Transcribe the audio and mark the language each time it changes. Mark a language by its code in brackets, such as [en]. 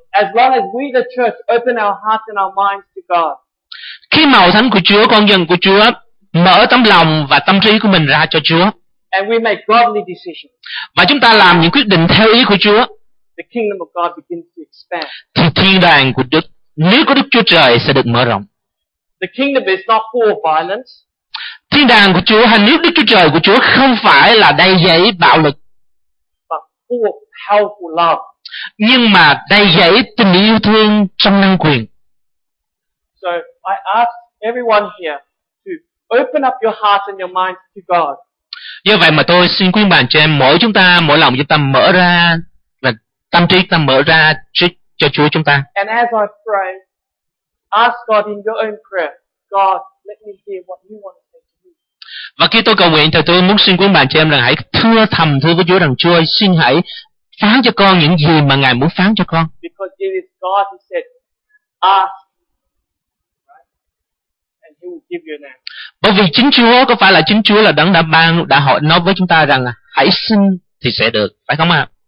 [en] As long as we the church open our hearts and our minds to God. [vi] Khi mà hội thánh của Chúa, con dân của Chúa mở tấm lòng và tâm trí của mình ra cho Chúa. [en] And we make godly decisions. [vi] Và chúng ta làm những quyết định theo ý của Chúa. [en] The kingdom of God begins to expand. [vi] Thì thiên đàng của Đức, nước của Đức Chúa Trời sẽ được mở rộng. [en] The kingdom is not full of violence. [vi] Thiên đàng của Chúa hay nước Đức Chúa Trời của Chúa không phải là đầy dẫy bạo lực. [en] But full of powerful love. [vi] Nhưng mà đầy dẫy tình yêu thương trong năng quyền. [en] So I ask everyone here to open up your hearts and your minds to God. [vi] Do vậy mà tôi xin quyên bàn cho em mỗi chúng ta, mỗi lòng chúng ta mở ra và tâm trí ta mở ra cho Chúa chúng ta. [en] And as I pray, ask God in your own prayer, God, let me hear what you want to say to me. [vi] Và khi tôi cầu nguyện thì tôi muốn xin quyên bàn cho em rằng hãy thưa thầm thưa với Chúa rằng Chúa ơi, xin hãy phán cho con những gì mà Ngài muốn phán cho con. [en] Because it is God who said, ask. [vi] Bởi vì chính Chúa, có phải là chính Chúa là đấng đã hỏi nói với chúng ta rằng hãy xin thì sẽ được, phải không ạ?